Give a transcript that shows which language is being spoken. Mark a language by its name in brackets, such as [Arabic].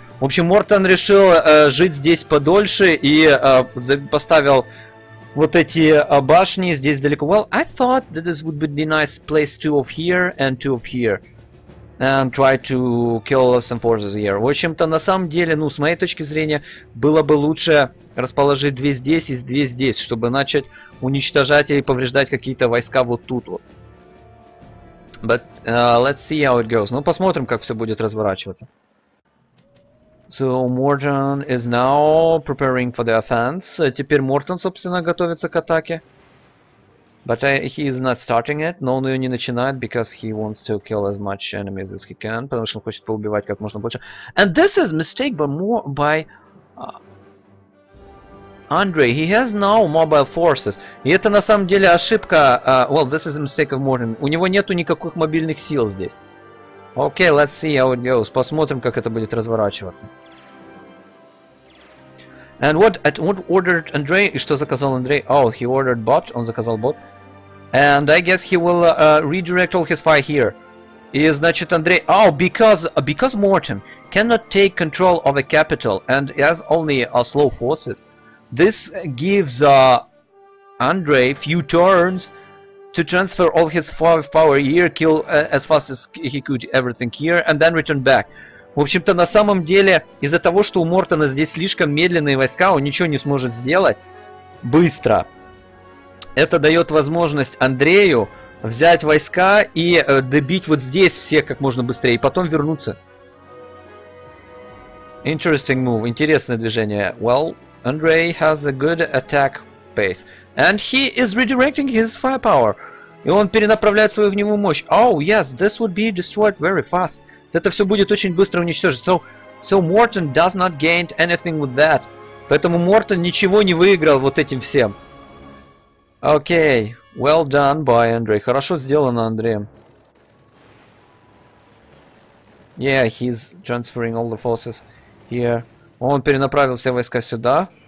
[Russian] В общем, Morton решил жить здесь подольше и поставил... Вот эти башни здесь далеко. [English] Well, I thought that this would be a nice place two of here and two of here. And try to kill some forces here. [Russian] В общем-то, на самом деле, ну, с моей точки зрения, было бы лучше расположить две здесь и две здесь, чтобы начать уничтожать или повреждать какие-то войска вот тут вот. [English] But let's see how it goes. [Russian] Ну, посмотрим, как все будет разворачиваться. [English] So Morton is now preparing for the offense. [Russian] Теперь Morton, собственно, готовится к атаке. [English] But he is not starting it. [Russian] Но он ее не начинает, [English] because he wants to kill as much enemies as he can. [Russian] Потому что он хочет поубивать как можно больше. [English] And this is mistake by Andrei. He has now mobile forces. [Russian] И это на самом деле ошибка. [English] Well, this is a mistake of Morton. [Russian] У него нету никаких мобильных сил здесь. [English] Okay, let's see how it goes. [Russian] Посмотрим, как это будет разворачиваться. [English] And what ordered Andrei? [Russian] И что заказал Андрей? [English] Oh, he ordered bot. [Russian] Он заказал бот. [English] And I guess he will redirect all his fire here. [Russian] И значит Андрей... [English] Oh, because Morton cannot take control of a capital and has only slow forces. This gives Andrei few turns to transfer all his power here, kill as fast as he could everything here, and then return back. [Russian] В общем-то, на самом деле, из-за того, что у Мортона здесь слишком медленные войска, он ничего не сможет сделать быстро. Это дает возможность Андрею взять войска и добить вот здесь всех как можно быстрее, и потом вернуться. [English] Interesting move, [Russian] интересное движение. [English] Well, Andrei has a good attack pace. And he is redirecting his firepower. [Russian] И он перенаправляет свою огневую мощь. [English] Oh, yes, this would be destroyed very fast. [Russian] Это все будет очень быстро уничтожено. [English] So Morton does not gain anything with that. [Russian] Поэтому Morton ничего не выиграл вот этим всем. [English] Okay, well done by Andrei. [Russian] Хорошо сделано Андреем. [English] Yeah, he's transferring all the forces here. [Russian] Он перенаправил все войска сюда.